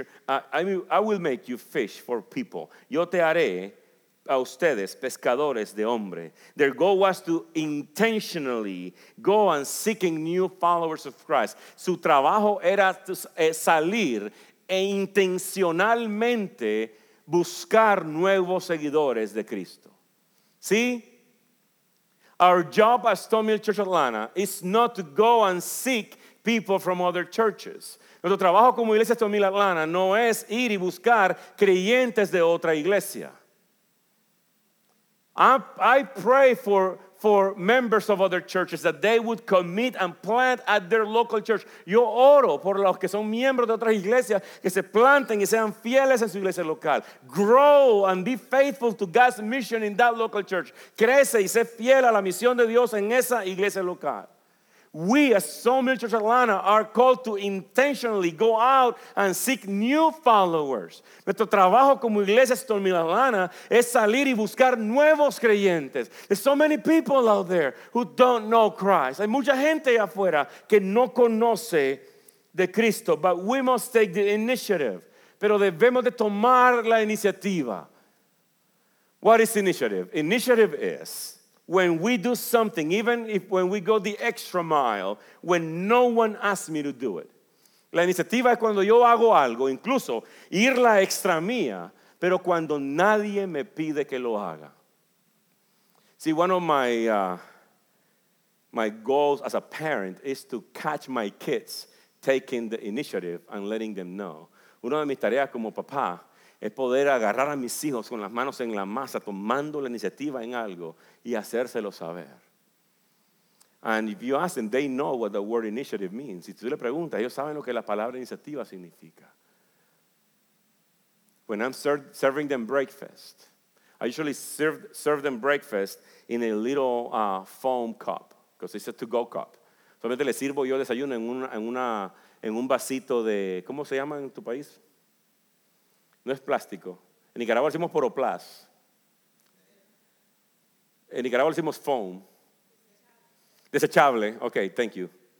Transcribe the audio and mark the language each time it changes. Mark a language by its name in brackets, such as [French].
[English] I will make you fish for people. [Spanish] Yo te haré a ustedes pescadores de hombre. [English] Their goal was to intentionally go and seeking new followers of Christ. [Spanish] Su trabajo era salir e intencionalmente buscar nuevos seguidores de Cristo. ¿Sí? [English] Our job as Stonemill Church Atlanta is not to go and seek people from other churches. [Spanish] Nuestro trabajo como iglesia Stonemill Atlanta no es ir y buscar creyentes de otra iglesia. [English] I pray for members of other churches that they would commit and plant at their local church. [Spanish] Yo oro por los que son miembros de otras iglesias que se planten y sean fieles en su iglesia local. [English] Grow and be faithful to God's mission in that local church. [Spanish] Crece y sé fiel a la misión de Dios en esa iglesia local. [English] We as Stonemill Church Atlanta are called to intentionally go out and seek new followers. [Spanish] Nuestro trabajo como iglesia Stonemill Atlanta es salir y buscar nuevos creyentes. [English] There's so many people out there who don't know Christ. [Spanish] Hay mucha gente afuera que no conoce de Cristo. [English] But we must take the initiative. [Spanish] Pero debemos de tomar la iniciativa. [English] What is initiative? Initiative is when we do something, even if when we go the extra mile, when no one asks me to do it. [Spanish] La iniciativa es cuando yo hago algo, incluso ir la extra mía, pero cuando nadie me pide que lo haga. [English] See, one of my goals as a parent is to catch my kids taking the initiative and letting them know. [Spanish] Una de mis tareas como papá es poder agarrar a mis hijos con las manos en la masa, tomando la iniciativa en algo y hacérselo saber. [English] And if you ask them, they know what the word initiative means. [Spanish] Si tú le preguntas, ellos saben lo que la palabra iniciativa significa. [English] When I'm serving them breakfast, I usually serve them breakfast in a little foam cup, because it's a to-go cup. [Spanish] Solamente les sirvo yo desayuno en un vasito de, ¿cómo se llama en tu país? No es plástico. En Nicaragua decimos poroplas. En Nicaragua decimos foam. Desechable. [English] Okay, thank you.